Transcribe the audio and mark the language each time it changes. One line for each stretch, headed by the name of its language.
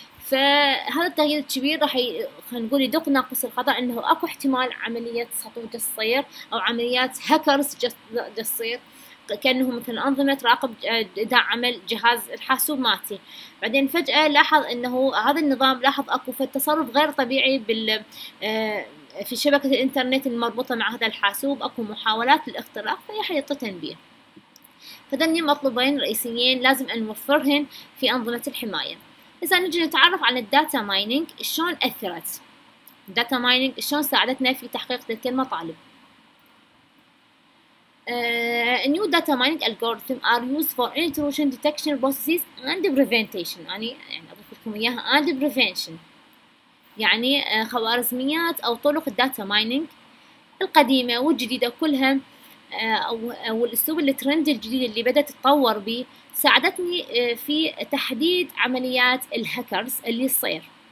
Arabic: فهذا التغيير الكبير راح خلينا نقول يدق ناقص الخطأ انه اكو احتمال عمليات سطو تصير او عمليات هاكرز تصير، كانه مثلا انظمه راقب دعم جهاز الحاسوب مالتي، بعدين فجاه لاحظ انه هذا النظام لاحظ اكو في تصرف غير طبيعي بال في شبكه الانترنت المربوطه مع هذا الحاسوب، اكو محاولات للاختراق، فهي حيطه تنبيه. فدني مطلوبين رئيسيين لازم ان نوفرهن في انظمه الحمايه. إذا نجي نتعرف على الداتا مايننج شلون أثرت، الداتا مايننج شلون ساعدتنا في تحقيق تلك المطالب.
English: New data mining algorithms are used for intrusion detection processes and prevention.
Arabic: يعني أضيف لكم إياها
English: and prevention.
Arabic: يعني خوارزميات أو طرق الداتا مايننج القديمة والجديدة كلها أو الأسلوب الترند الجديد اللي بدأت تتطور به ساعدتني في تحديد عمليات الهاكرز اللي تصير.